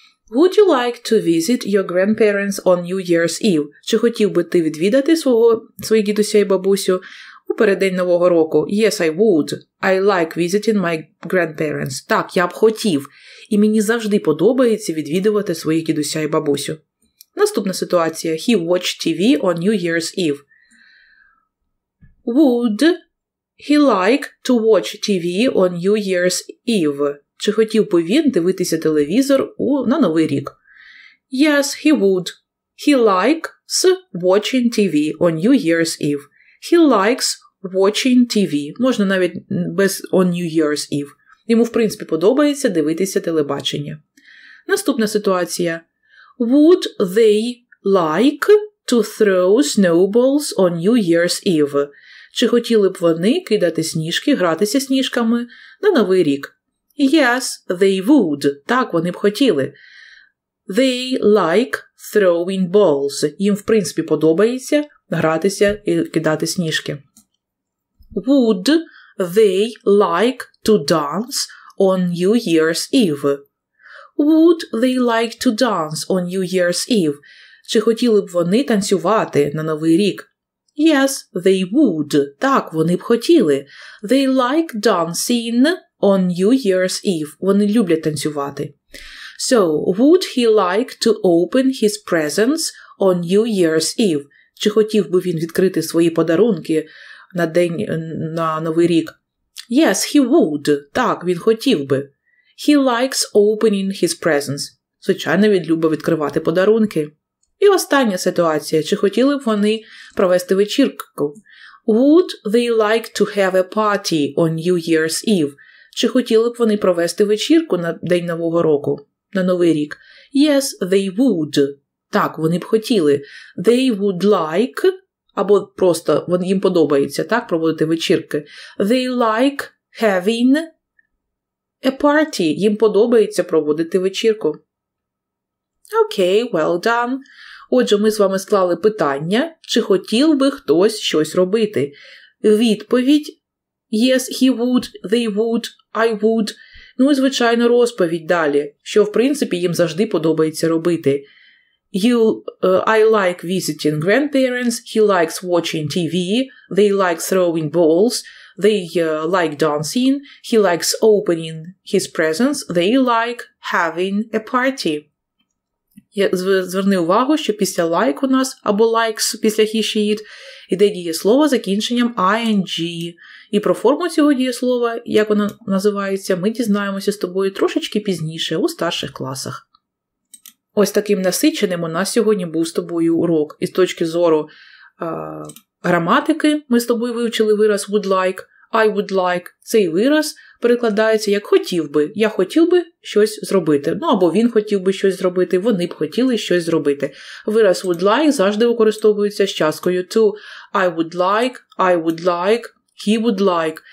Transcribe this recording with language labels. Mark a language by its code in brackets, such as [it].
[en] Would you like to visit your grandparents on New Year's Eve? [uk] Чи хотів би ти відвідати своїх дідуся і бабусю У переддень Нового року. [en] Yes, I would. I like visiting my grandparents. [uk] Так, я б хотів. І мені завжди подобається відвідувати своїх дідуся і бабусю. Наступна ситуація. [en] He watched TV on New Year's Eve. Would he like to watch TV on New Year's Eve? [uk] Чи хотів би він дивитися телевізор на Новий рік? [en] Yes, he would. He likes watching TV on New Year's Eve. He likes watching TV. [uk] Можна навіть без [en] on New Year's Eve. [uk] Йому, в принципі, подобається дивитися телебачення. Наступна ситуація. [en] Would they like to throw snowballs on New Year's Eve? [uk] Чи хотіли б вони кидати сніжки, гратися сніжками на Новий рік? [en] Yes, they would. [uk] Так, вони б хотіли. [en] They like throwing balls. [uk] Їм, в принципі, подобається гратися і кидати сніжки. [en] Would they like to dance on New Year's Eve? Would they like to dance on New Year's Eve? [uk] Чи хотіли б вони танцювати на Новий рік? [en] Yes, they would. [uk] Так, вони б хотіли. [en] They like dancing on New Year's Eve. [uk] Вони люблять танцювати. [en] So, would he like to open his presents on New Year's Eve? [uk] Чи хотів би він відкрити свої подарунки на день на Новий рік? [en] Yes, he would. [uk] Так, він хотів би. [en] He likes opening his presents. [uk] Звичайно, він любить відкривати подарунки. І остання ситуація. Чи хотіли б вони провести вечірку? [en] Would they like to have a party on New Year's Eve? [uk] Чи хотіли б вони провести вечірку на день Нового року, на Новий рік? [en] Yes, they would. [uk] Так, вони б хотіли. [en] They would like, [uk] або просто їм подобається, так, проводити вечірки. [en] They like having a party. [uk] Їм подобається проводити вечірку. [en] Okay, well done. [uk] Отже, ми з вами склали питання, чи хотів би хтось щось робити. Відповідь – [en] yes, he would, they would, I would. [uk] Ну і, звичайно, розповідь далі, що, в принципі, їм завжди подобається робити. [en] I like visiting grandparents, he likes watching TV, they like throwing balls, they like dancing, he likes opening his presents, they like having a party. [uk] Я зверни увагу, що після like у нас, або likes після he, she, it, іде дієслово з закінченням ing. І про форму цього дієслова, як вона називається, ми дізнаємося з тобою трошечки пізніше, у старших класах. Ось таким насиченим у нас сьогодні був з тобою урок. І з точки зору граматики ми з тобою вивчили вираз would like, [en] I would like. [uk] Цей вираз перекладається як хотів би. Я хотів би щось зробити. Ну, або він хотів би щось зробити, вони б хотіли щось зробити. Вираз would like завжди використовується з часткою to. [en] I would like, I would like, he would like.